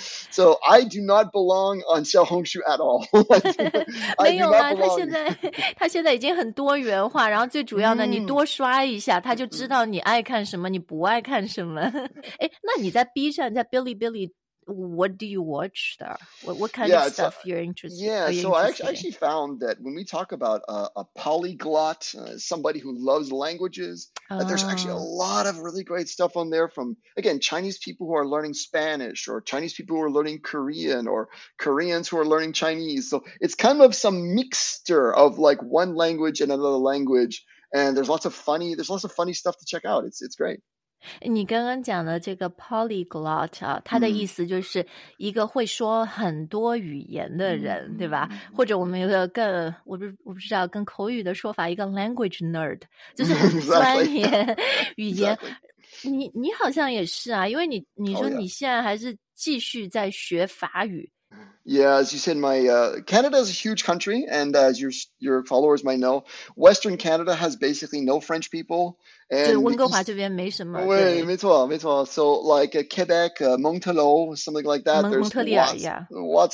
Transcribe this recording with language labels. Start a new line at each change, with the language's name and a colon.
English: So I do not belong on Xiaohongshu at all. I do not belong.
Chinese: 没有啊，他现在已经很多元化。然后最主要的，你多刷一下，他就知道你爱看什么，你不爱看什么。哎，那你在 B 站，在 Bilibili。
English: What do you watch there? What kind yeah, of stuff you're interested in? Yeah, so I actually found that when we talk about a polyglot, somebody who loves languages, there's actually a lot of really great stuff on there from, again, Chinese people who are learning Spanish or Chinese people who are learning Korean or Koreans who are learning Chinese. So it's kind of some mixture of like one language and another language. And there's lots of funny stuff to check out. It's great.
Chinese: 你刚刚讲的这个 polyglot 啊，它的意思就是一个会说很多语言的人，对吧？或者我们有个更我不知道更口语的说法，一个 language nerd， 就是钻研语言。你好像也是啊，因为你说你现在还是继续在学法语。
English: Yeah, as you said, my Canada is a huge country, and as your followers might know, Western Canada has basically no French people. And
Chinese: 对，温哥华这边没什么。对，没错。
English: So like Quebec, Montalo, something like that. There's lots